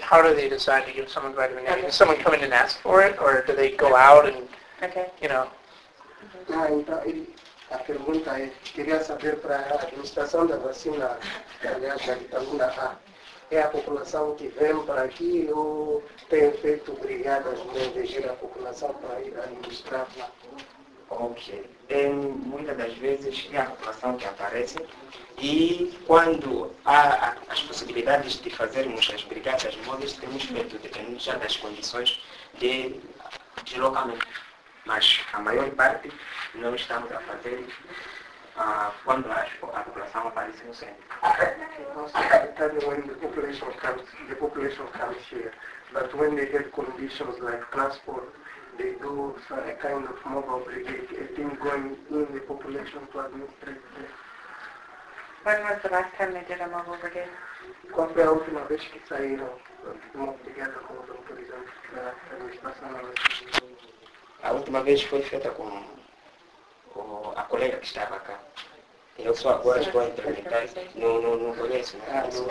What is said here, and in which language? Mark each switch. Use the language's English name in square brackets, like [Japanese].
[English] How do they decide to give someone vitamin A? Okay. Is someone coming and ask for it, or do they go out and okay. you know? Okay. [Spanish] La pregunta es, quería saber para la administración de vacina de la vitamina A, ¿es la población que ven para aquí o tiene efecto brigada de elegir la población para ir a administrarla? [English] Ok. [Portuguese] Muitas das vezes é a população que aparece e quando há as possibilidades de fazermos as brigadas móveis, temos feito dependendo já das condições de deslocamento. Mas a maior parte não estamos a fazer quando a população aparece no centro. [English] The population comes here, but when they have conditions like transport, they do a kind of mobile brigade, a team going in the population to administrate them. When was the last time they did a mobile brigade? [Portuguese] Quando foi a última vez que saíram de uma brigada com os autorizantes da administração da vacina? A última vez foi feita com a colega que estava cá. Eu só agora estou a implementar, não conheço, não